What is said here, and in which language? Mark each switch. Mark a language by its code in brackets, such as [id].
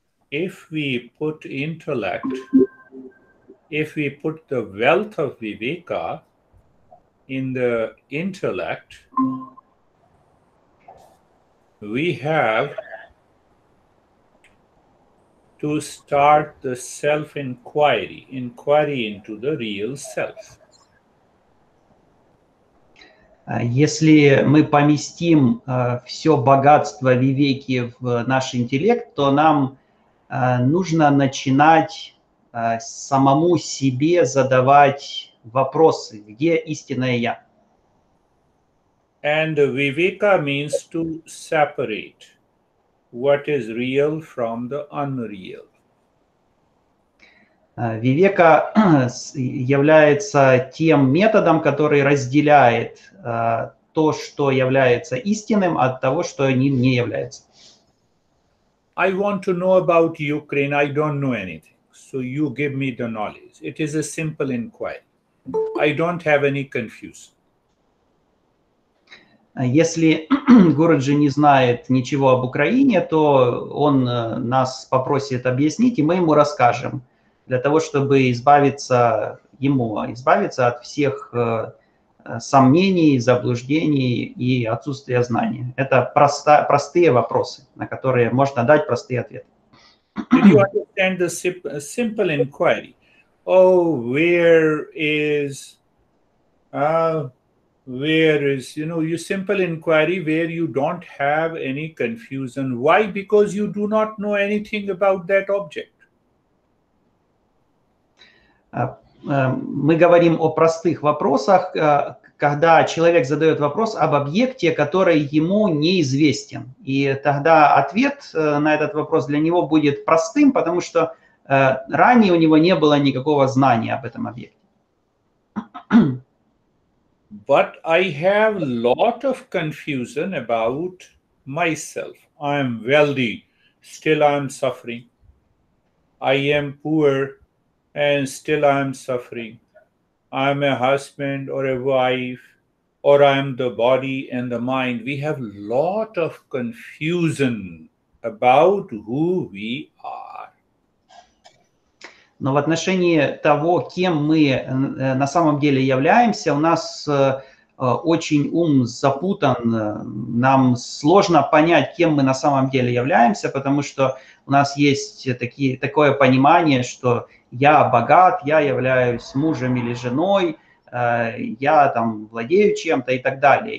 [en] if we put intellect, if we put the wealth of Viveka in the intellect, we have to start the self-inquiry, inquiry into the real self. [ru] Если мы поместим все богатство Вивеки в наш интеллект, то нам нужно начинать самому себе задавать вопросы, где истинное я? [en] And Viveka means to separate what is real from the unreal. [ru] Вивека является тем методом, который разделяет то, что является истинным, от того, что ним не является. [en] I want to know about Ukraine. I don't know anything. So you give me the knowledge. It is a simple inquiry. I don't have any confusion. [ru] Если Гуруджи не знает ничего об Украине, то он нас попросит объяснить, и мы ему расскажем. Для того, чтобы избавиться от всех сомнений, заблуждений и отсутствия знаний. Это простые вопросы, на которые можно дать простые ответы. [en] Did you understand the simple inquiry? Oh, where is, your simple inquiry where you don't have any confusion. Why? Because you do not know anything about that object. [ru] Мы говорим о простых вопросах, когда человек задает вопрос об объекте, который ему неизвестен. И тогда ответ на этот вопрос для него будет простым, потому что ранее у него не было никакого знания об этом объекте. [en] But I have lot of confusion about myself. I am wealthy, still I am suffering. I am poor, and still I am suffering. I am a husband or a wife, or I am the body and the mind. We have lot of confusion about who we are. [ru] Но в отношении того, кем мы на самом деле являемся, у нас очень ум запутан, нам сложно понять, кем мы на самом деле являемся, потому что у нас есть такое понимание, что я богат, я являюсь мужем или женой, я там владею чем-то и так далее.